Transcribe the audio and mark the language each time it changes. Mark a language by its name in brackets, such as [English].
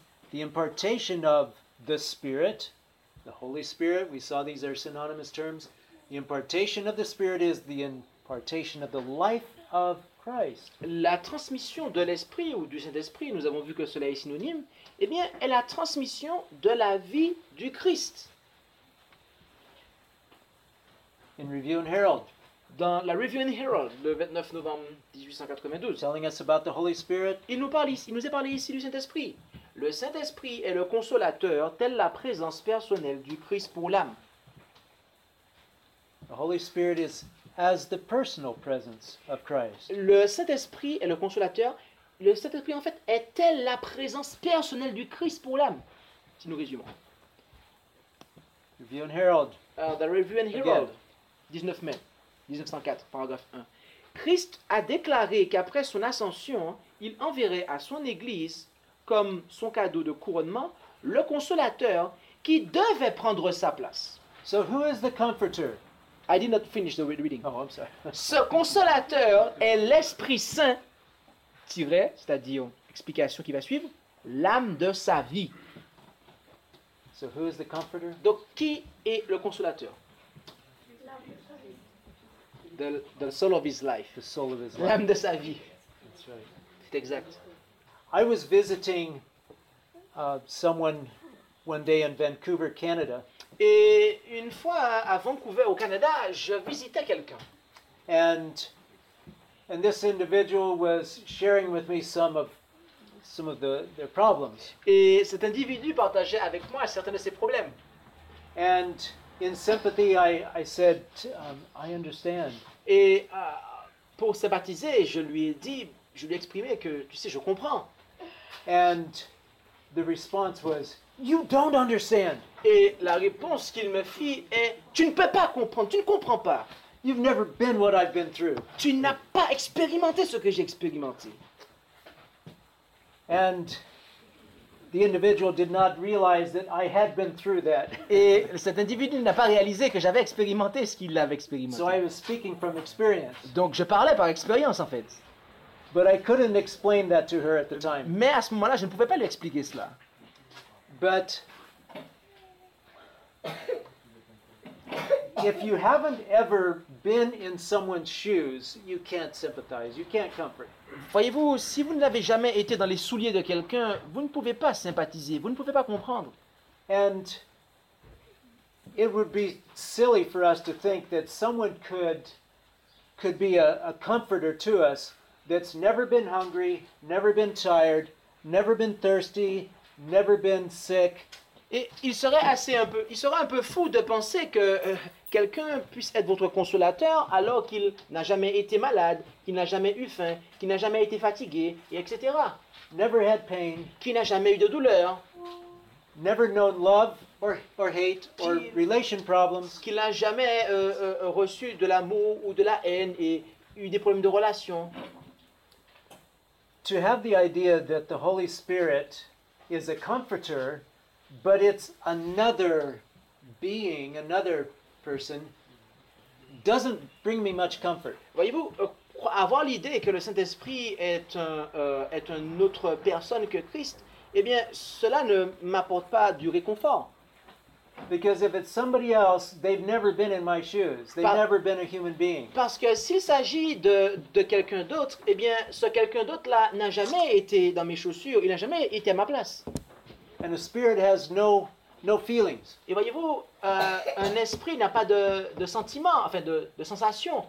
[English] The impartation of the Spirit, the Holy Spirit, we saw these are synonymous terms. The impartation of the Spirit is the impartation of the life of Christ. [French] La transmission de l'Esprit ou du Saint-Esprit, nous avons vu que cela est synonyme, eh bien, est la transmission de la vie du Christ. [English] In Review and Herald. [French] Dans la Review and Herald, le 29 novembre 1892. [English] Telling us about the Holy Spirit. [French] Il nous est parlé ici du Saint-Esprit. Le Saint-Esprit est le consolateur, telle la présence personnelle du Christ pour l'âme. [English] The Holy Spirit is as the personal presence of Christ. [French] Le Saint-Esprit est le consolateur. Le Saint-Esprit, en fait, est telle la présence personnelle du Christ pour l'âme. Si nous résumons. Review and Herald. The Review and Herald. [English] Again. [French] 19 mai 1904, paragraphe 1. Christ a déclaré qu'après son ascension, il enverrait à son Église, comme son cadeau de couronnement, le Consolateur qui devait prendre sa place. [English] So who is the Comforter? I did not finish the reading. Oh, I'm sorry. [French] Ce Consolateur est l'Esprit Saint, c'est-à-dire explication qui va suivre, l'âme de sa vie. [English] So who is the Comforter? [French] Donc qui est le Consolateur? [English] The soul of his life. The soul of his life. [French] L'âme de sa vie. [English] That's right. [French] C'est exact. [English] I was visiting someone one day in Vancouver, Canada. [French] Et une fois à Vancouver, au Canada, je visitais quelqu'un. [English] And this individual was sharing with me some of their problems. [French] Et cet individu partageait avec moi certains de ses problèmes. [English] And in sympathy, I said, I understand. [French] Et pour sympathiser, je lui ai exprimé que, tu sais, je comprends. [English] And the response was, you don't understand. [French] Et la réponse qu'il me fit est, tu ne peux pas comprendre, tu ne comprends pas. [English] You've never been what I've been through. [French] Tu n'as pas expérimenté ce que j'ai expérimenté. [English] And the individual did not realize that I had been through that. [French] Et cet individu n'a pas réalisé que j'avais expérimenté ce qu'il avait expérimenté. [English] So I was speaking from experience. [French] Donc je parlais par expérience en fait. [English] But I couldn't explain that to her at the time. [French] Mais à ce moment-là, je ne pouvais pas lui expliquer cela. [English] But If you haven't ever been in someone's shoes, you can't sympathize. You can't comfort. [French] Voyez-vous, si vous n'avez jamais été dans les souliers de quelqu'un, vous ne pouvez pas sympathiser, vous ne pouvez pas comprendre. [English] And it would be silly for us to think that someone could be a comforter to us that's never been hungry, never been tired, never been thirsty, never been sick. [French] Et il serait un peu fou de penser que quelqu'un puisse être votre consolateur alors qu'il n'a jamais été malade, qu'il n'a jamais eu faim, qu'il n'a jamais été fatigué, et etc. [English] Never had pain. [French] Qu'il n'a jamais eu de douleur. [English] Never known love or hate or relation problems. [French] Qu'il n'a jamais reçu de l'amour ou de la haine et eu des problèmes de relation. [English] To have the idea that the Holy Spirit is a comforter, but it's another being, another person, doesn't bring me much comfort. [French] Voyez-vous, avoir l'idée que le Saint-Esprit est une autre personne que Christ, eh bien, cela ne m'apporte pas du réconfort. [English] Because if it's somebody else, they've never been in my shoes. They've never been a human being. [French] Parce que s'il s'agit de quelqu'un d'autre, eh bien, ce quelqu'un d'autre-là n'a jamais été dans mes chaussures, il n'a jamais été à ma place. [English] And the spirit has no feelings. [French] Et voyez-vous, un esprit n'a pas de sentiments, enfin de sensations.